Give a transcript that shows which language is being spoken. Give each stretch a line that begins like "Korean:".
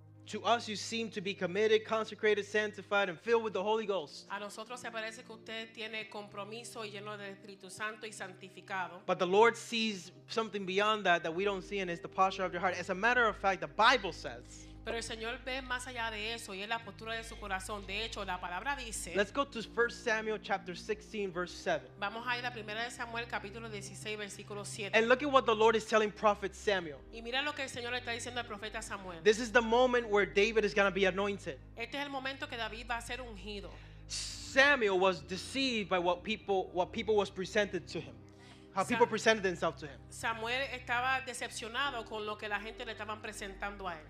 English: To us, you seem to be committed, consecrated, sanctified, and filled with the Holy Ghost.
Spanish: A nosotros se parece que usted tiene compromiso y lleno del Espíritu Santo y santificado.
English: But the Lord sees something beyond that that we don't see, and it's the posture of your heart. As a matter of fact, the Bible says.
Spanish: Pero el Señor ve más allá de eso y es la postura de su corazón. De hecho, la palabra dice.
English: Let's go to 1 Samuel chapter 16, verse 7.
Spanish: Vamos a ir a 1 Samuel capítulo 16, versículo 7.
English: And look at what the Lord is telling prophet Samuel.
Spanish: Y mira lo que el Señor le está diciendo al profeta Samuel.
English: This is the moment where David is going to be anointed.
Spanish: Este es el momento que David va a ser ungido.
English: Samuel was deceived by what people was presented to him. How people presented themselves to him.
Spanish: Samuel estaba decepcionado con lo que la gente le estaban presentando a él.